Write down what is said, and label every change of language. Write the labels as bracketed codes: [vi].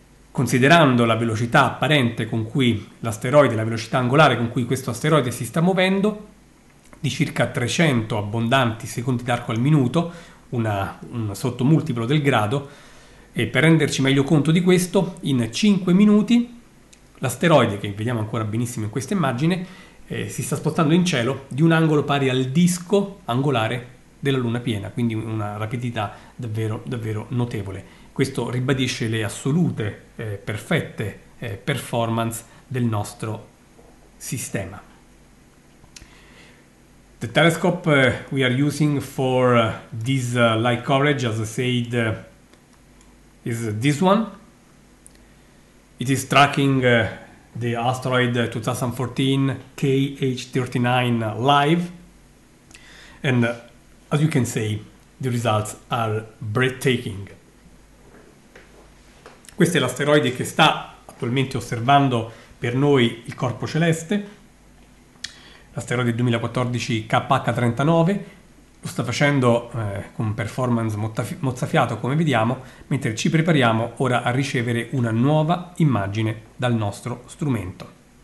[it] Considerando la velocità apparente con cui l'asteroide, la velocità angolare con cui questo asteroide si sta muovendo, di circa 300 abbondanti secondi d'arco al minuto, un sottomultiplo del grado, e per renderci meglio conto di questo, in 5 minuti l'asteroide, che vediamo ancora benissimo in questa immagine, si sta spostando in cielo di un angolo pari al disco angolare della luna piena, quindi una rapidità davvero davvero notevole. Questo ribadisce le assolute, perfette, performance del nostro sistema. [en] The telescope we are using for this light coverage, as I said, is this one. It is tracking the asteroid 2014 KH39 live and as you can see, the results are breathtaking. [it] Questo è l'asteroide che sta attualmente osservando per noi il corpo celeste, l'asteroide 2014 KH39. Lo sta facendo con performance mozzafiato, come vediamo, mentre ci prepariamo ora a ricevere una nuova immagine dal nostro strumento.